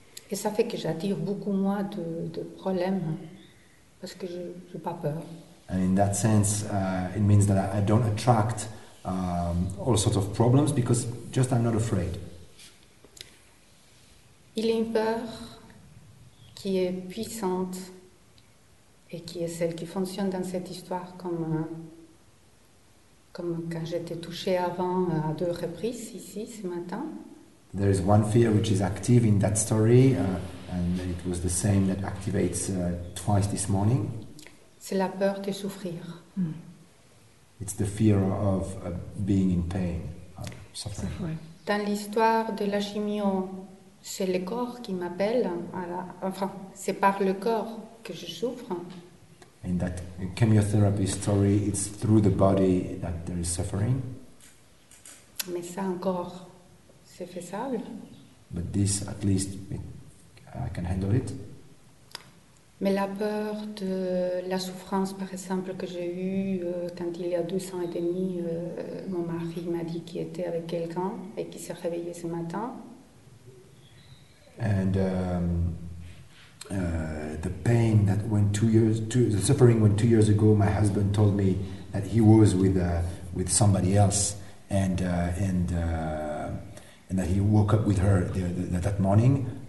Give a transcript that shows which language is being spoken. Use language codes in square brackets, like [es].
[fr] Et ça fait que j'attire beaucoup moins de problèmes parce que je n'ai pas peur. [en] And in that sense, it means that I don't attract all sorts of problems because just I'm not afraid. [fr] Il y a une peur qui est puissante et qui est celle qui fonctionne dans cette histoire comme quand j'étais touchée avant à deux reprises ici ce matin. [en] There is one fear which is active in that story and it was the same that activates twice this morning. [fr] C'est la peur de souffrir. [en] It's the fear of being in pain, suffering. [fr] Dans l'histoire de la chimio, c'est le corps qui m'appelle. C'est par le corps que je souffre. [en] In that chemotherapy story, it's through the body that there is suffering. [fr] Mais ça encore, c'est faisable. [en] But this, at least, I can handle it. [fr] Mais la peur de la souffrance, par exemple, que j'ai eue quand il y a 2 ans et demi, mon mari m'a dit qu'il était avec quelqu'un et qu'il s'est réveillé ce matin. [en] And the pain that went 2 years, the suffering went 2 years ago. My husband told me that he was with somebody else, and that he woke up with her that morning.